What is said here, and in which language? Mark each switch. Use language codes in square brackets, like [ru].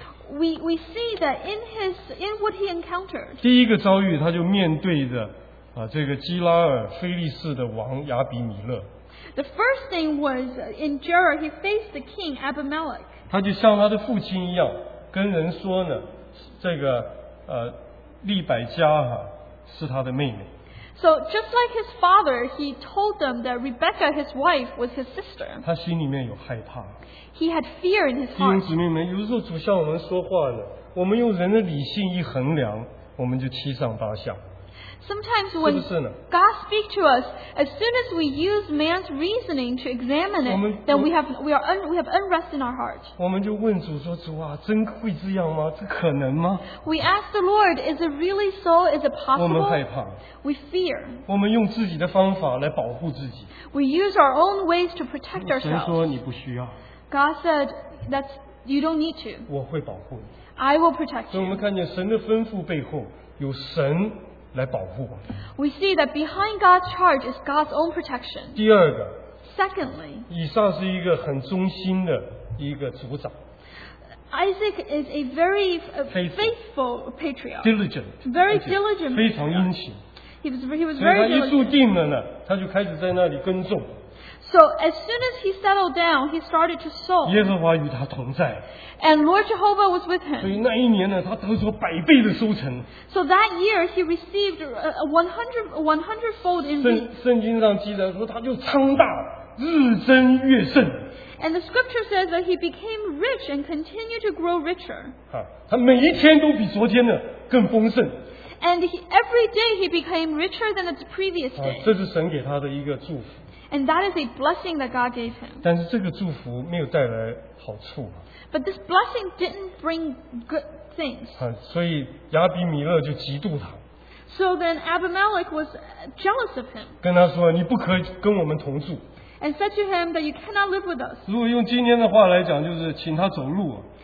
[en] We see that in what he encountered. [zh] 第一个遭遇，他就面对着这个基拉尔非利士的王亚比米勒。 [en] The first thing was in Gerar, he faced the king Abimelech. [zh] 他就像他的父亲一样，跟人说呢，这个利百加哈是他的妹妹。 [en] So just like his father, he told them that Rebecca, his wife, was his sister. [zh] 他心里面有害怕。 [en] He had fear in his heart. [zh] 弟兄姊妹们，有时候主向我们说话呢，我们用人的理性一衡量，我们就七上八下。 [en] Sometimes when [zh] 是不是呢? [en] God speaks to us, as soon as we use man's reasoning to examine it, then we have unrest in our hearts. [zh] 我们就问主说, 主啊, 真会这样吗? 这可能吗? [en] We ask the Lord, is it really so? Is it possible? [zh] 我们害怕。 [en] We fear. [zh] 我们用自己的方法来保护自己。 [en] We use our own ways to protect ourselves. [zh] 神说你不需要。 [en] God said, that's, you don't need to. [zh] 我会保护你。 [en] I will protect you. [zh] 所以我们看见神的吩咐背后有神来保护。 [en] We see that behind God's charge is God's own protection. [zh] 第二个。 [en] Secondly, [zh] 以撒是一个很忠心的一个族长。 [en] Isaac is a very faithful patriarch. Diligent. Very diligent. [zh] 非常殷勤。 [en] He was very diligent. [zh] 所以他一住定了呢，他就开始在那里耕种。 [en] So as soon as he settled down, he started to sow. [zh] 耶和华与他同在。 [en] And Lord Jehovah was with him. [zh] 所以那一年呢，他得着百倍的收成。 [en] So that year he received a hundredfold increase. [zh] 圣经上记载说，他就昌大，日增月盛。 [en] And the scripture says that he became rich and continued to grow richer. [zh] 他每一天都比昨天的更丰盛。 [en] And every day he became richer than the previous day. [zh] 这是神给他的一个祝福。 [en] And that is a blessing that God gave him. [zh] 但是这个祝福没有带来好处。 [en] But this blessing didn't bring good things. [zh] 所以亚比米勒就嫉妒他。 [en] So then Abimelech was jealous of him. [zh] 跟他说, 你不可跟我们同住。 [en] And said to him that you cannot live with us. [zh] 如果用今天的话来讲, 就是请他走路,